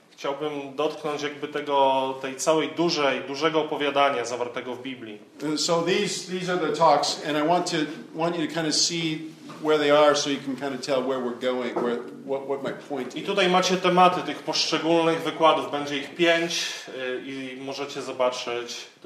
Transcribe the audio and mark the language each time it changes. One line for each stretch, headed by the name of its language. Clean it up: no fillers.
Polish: Chciałbym dotknąć jakby tego tej całej dużego opowiadania zawartego w Biblii.
English: So these are the talks, and I want you to kind of see where they are, so you can kind of tell where we're going, what my point is.
Polish: I tutaj macie tematy tych poszczególnych wykładów. Będzie ich 5 i możecie zobaczyć.